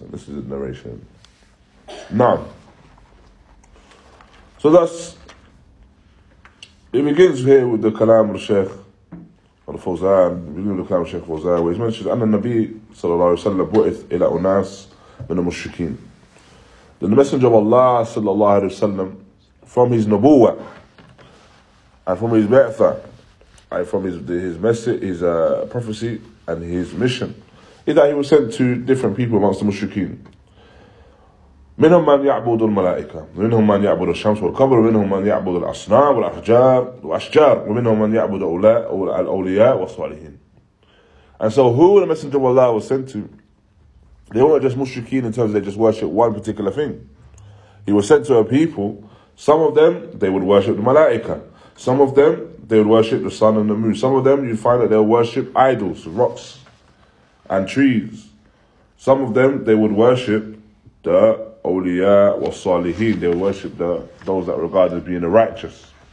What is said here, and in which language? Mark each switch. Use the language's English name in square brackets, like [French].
[English] And this is a narration. Now, so thus, it begins here with the Kalam al-Shaykh al-Fawzan, where he mentions, [Arabic] أَنَّ النَّبِيِّ صَلَى اللَّهُ عَلَيْهِ وَسَلَّمَ بُعِثْ إِلَىٰ أُنَاسِ مِنَ الْمُشْرِكِينَ. [English] Then the Messenger of Allah صلى الله عليه وسلم, from his Nabuwa, and from his Ba'tha, and from his message, his prophecy, and his mission, is that he was sent to different people amongst the Mushrikeen. [Arabic] منهم من يعبد الملائكة منهم من يعبد الشمس والقبر منهم من يعبد الأصنام والأحجار والأشجار ومنهم من يعبد أولياء الأولياء والصالحين. [English] And so who the Messenger of Allah was sent to, they weren't just mushrikeen in terms of they just worship one particular thing. He was sent to a people, some of them they would worship the malaika, some of them they would worship the sun and the moon, some of them you find that they'll worship idols, rocks and trees, some of them they would worship the awliya wa salihin, they worship those that are regarded as being the righteous.